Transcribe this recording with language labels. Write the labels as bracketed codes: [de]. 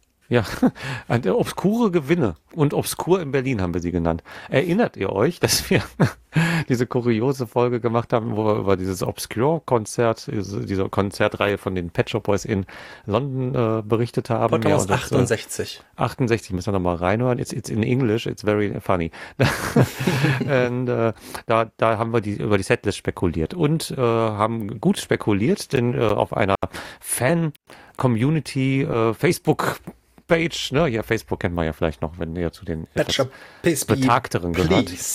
[de] Ja, obskure Gewinne und obskur in Berlin haben wir sie genannt. Erinnert ihr euch, dass wir diese kuriose Folge gemacht haben, wo wir über dieses Obscure-Konzert, diese Konzertreihe von den Pet Shop Boys in London berichtet haben? Ja, 68. 68, müssen wir nochmal reinhören. [en] It's in English, it's very funny. [de] Und da haben wir über die Setlist spekuliert und haben gut spekuliert, denn auf einer Fan-Community Facebook Page, ne? Ja, Facebook kennt man ja vielleicht noch, wenn ihr zu den etwas Betagteren gehört.